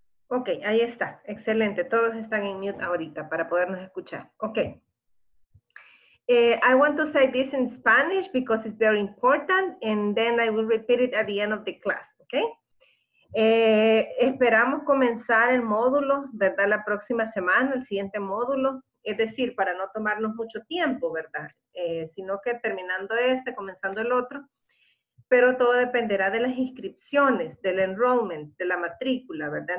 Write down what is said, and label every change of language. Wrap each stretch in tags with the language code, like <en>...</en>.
<es>Okay, ahí está, excelente, todos están en mute ahorita para podernos escuchar. Okay.</es> <en>I want to say this in Spanish because it's very important and then I will repeat it at the end of the class, okay?</en> <es>Esperamos comenzar el módulo, ¿verdad? La próxima semana, el siguiente módulo, es decir, para no tomarnos mucho tiempo, ¿verdad? Sino que terminando este, comenzando el otro, pero todo dependerá de las inscripciones, del enrollment, de la matrícula, ¿verdad?</es>